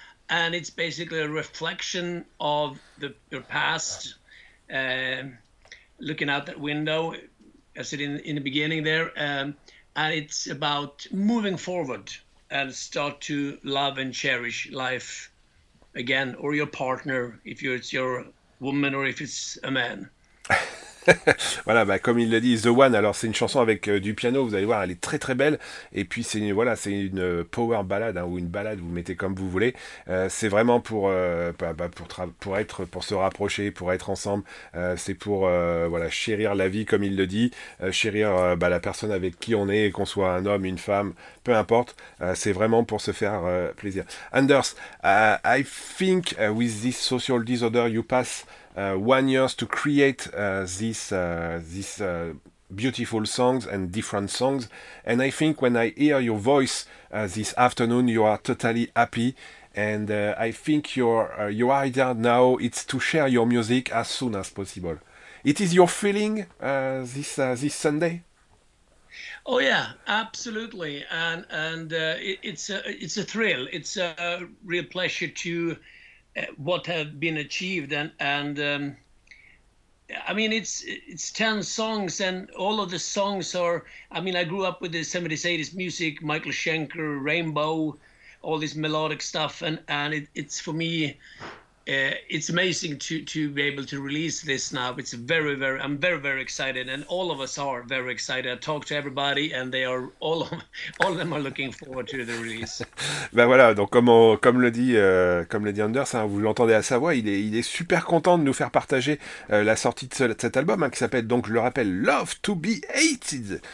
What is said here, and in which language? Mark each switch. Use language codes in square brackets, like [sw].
[en] And it's basically a reflection of your past, looking out that window, as it in the beginning there. And it's about moving forward and start to love and cherish life again, or your partner, if it's your woman or if it's a man. [fr] Voilà, bah, comme il l'a dit, The One, alors c'est une chanson avec du piano, vous allez voir, elle est très très belle, et puis c'est une power ballade, hein, ou une ballade, vous mettez comme vous voulez, c'est vraiment pour se rapprocher, pour être ensemble, c'est pour chérir la vie, comme il le dit, chérir la personne avec qui on est, qu'on soit un homme, une femme, peu importe, c'est vraiment pour se faire plaisir. [en] Anders, I think with this Social Disorder you pass 1 year to create this beautiful songs and different songs, and I think when I hear your voice this afternoon, you are totally happy, and I think your idea now it's to share your music as soon as possible. It is your feeling this Sunday. Oh yeah, absolutely, it's a thrill. It's a real pleasure to. What have been achieved and I mean it's 10 songs and all of the songs are, I mean, I grew up with the 70s 80s music, Michael Schenker, Rainbow, all this melodic stuff, and it's for me It's amazing to be able to release this now. It's very, very, I'm very, very excited, and all of us are very excited. I talk to everybody, and they are all of them are looking forward to the release. [fr] Ben voilà, donc comme le dit Anders, hein, vous l'entendez à sa voix, il est super content de nous faire partager la sortie de cet album, hein, qui s'appelle, donc je le rappelle, Love to be Hated.